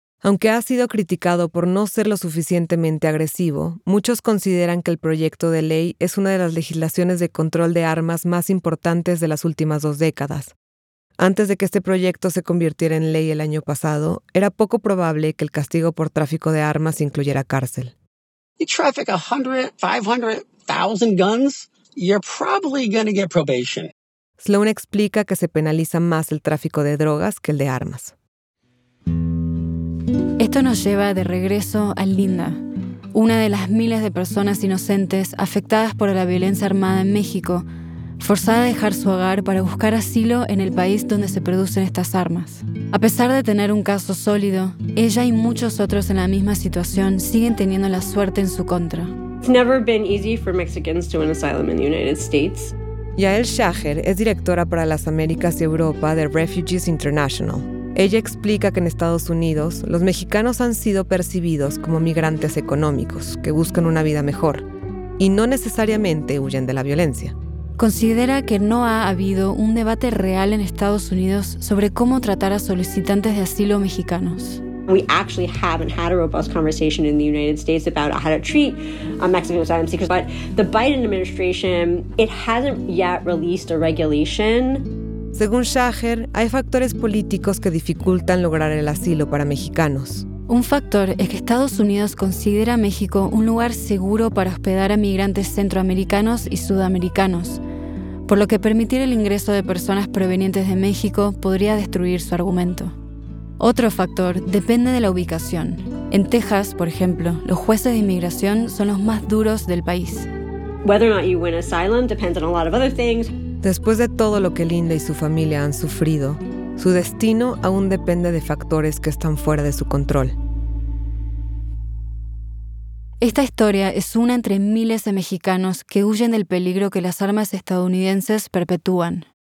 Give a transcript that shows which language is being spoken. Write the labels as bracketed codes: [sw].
[es] Aunque ha sido criticado por no ser lo suficientemente agresivo, muchos consideran que el proyecto de ley es una de las legislaciones de control de armas más importantes de las últimas dos décadas. Antes de que este proyecto se convirtiera en ley el año pasado, era poco probable que el castigo por tráfico de armas incluyera cárcel. [en] You traffic 100, 500,000 guns, you're probably going to get probation. [es] Sloan explica que se penaliza más el tráfico de drogas que el de armas. Esto nos lleva de regreso a Linda, una de las miles de personas inocentes afectadas por la violencia armada en México, forzada a dejar su hogar para buscar asilo en el país donde se producen estas armas. A pesar de tener un caso sólido, ella y muchos otros en la misma situación siguen teniendo la suerte en su contra. [en] It's never been easy for Mexicans to win asylum in the United States. [es] Yael Shacher es directora para las Américas y Europa de Refugees International. Ella explica que en Estados Unidos, los mexicanos han sido percibidos como migrantes económicos que buscan una vida mejor y no necesariamente huyen de la violencia. Considera que no ha habido un debate real en Estados Unidos sobre cómo tratar a solicitantes de asilo mexicanos. [en] We actually haven't had a robust conversation in the United States about how to treat Mexican asylum seekers, but the Biden administration, it hasn't yet released a regulation. [es] Según Shacher, hay factores políticos que dificultan lograr el asilo para mexicanos. Un factor es que Estados Unidos considera a México un lugar seguro para hospedar a migrantes centroamericanos y sudamericanos, por lo que permitir el ingreso de personas provenientes de México podría destruir su argumento. Otro factor depende de la ubicación. En Texas, por ejemplo, los jueces de inmigración son los más duros del país. [en] Whether or not you win asylum depends on a lot of other things. [es] Después de todo lo que Linda y su familia han sufrido, su destino aún depende de factores que están fuera de su control. Esta historia es una entre miles de mexicanos que huyen del peligro que las armas estadounidenses perpetúan.